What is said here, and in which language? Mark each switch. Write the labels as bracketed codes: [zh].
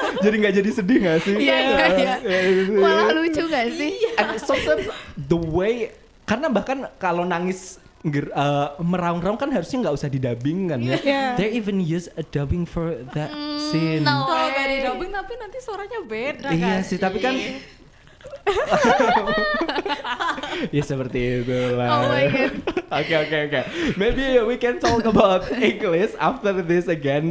[id] Jadi enggak jadi sedih enggak sih? Yeah. Malah lucu enggak sih? [en] And sometimes the way [id] karena bahkan kalau nangis meraung-raung kan harusnya enggak usah didubbing kan ya. [en] Yeah. They even use a dubbing for that scene. [id] No, enggak didubbing tapi nanti suaranya beda kan. Iya sih, tapi kan ya seperti itu lah. [en] Oh my god. Okay. Maybe we can talk about English after this again.